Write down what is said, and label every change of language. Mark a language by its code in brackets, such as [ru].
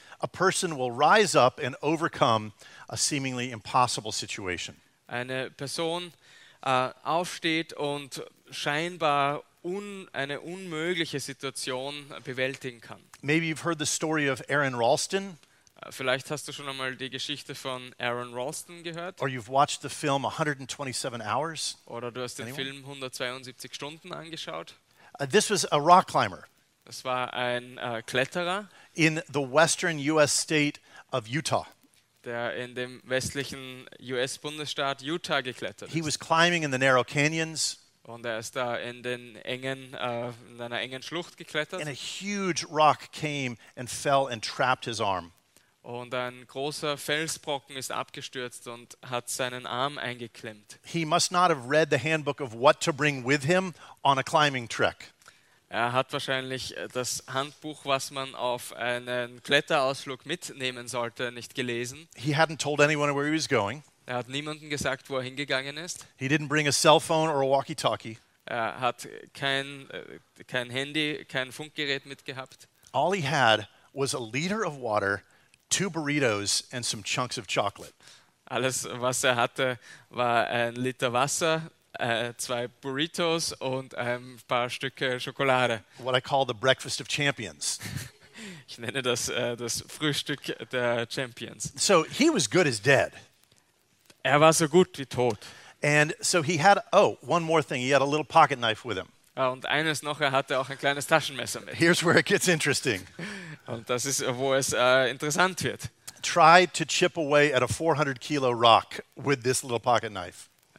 [en] a person will rise up and overcome a seemingly impossible situation. [de] Eine Person aufsteht und scheinbar eine unmögliche Situation bewältigen kann. [en] Maybe you've heard the story of Aaron Ralston. [de] Vielleicht hast du schon einmal die Geschichte von Aaron Ralston gehört. [en] Or you've watched the film 127 Hours. [de] Oder du hast den [en] Anyone? [de] Film 172 Stunden angeschaut. [en] This was a rock climber. [de] Das war ein Kletterer. [en] In the western U.S. state of Utah. [de] Der in dem westlichen US-Bundesstaat Utah geklettert ist. [en] He was climbing in the narrow canyons. [de] Und er ist da in den engen, in einer engen Schlucht geklettert. [en] And a huge rock came and fell and trapped his arm. [de] Und ein großer Felsbrocken ist abgestürzt und hat seinen Arm eingeklemmt. [en] He must not have read the handbook of what to bring with him on a climbing trek. [de] Er hat wahrscheinlich das Handbuch, was man auf einen Kletterausflug mitnehmen sollte, nicht gelesen. [en] He hadn't told anyone where he was going. [de] Er hat niemandem gesagt, wo er hingegangen ist. [en] He didn't bring a cell phone or a walkie-talkie. [de] Er hat kein Handy, kein Funkgerät mitgehabt. [en] All he had was a liter of water, two burritos and some chunks of chocolate. [de] Alles, was er hatte, war ein Liter Wasser, zwei Burritos und ein paar Stücke Schokolade. [en] What I call the breakfast of champions. [de] Ich nenne das das Frühstück der Champions. [en] So he was good as dead. [de] Er war so gut wie tot. [en] And so he had, one more thing. He had a little pocket knife with him. [de] Und eines noch, er hatte auch ein kleines Taschenmesser mit. [en] Here's where it gets interesting. [de] Und das ist, wo es interessant wird. [en] Try to chip away at a 400 kilo rock with this little pocket knife.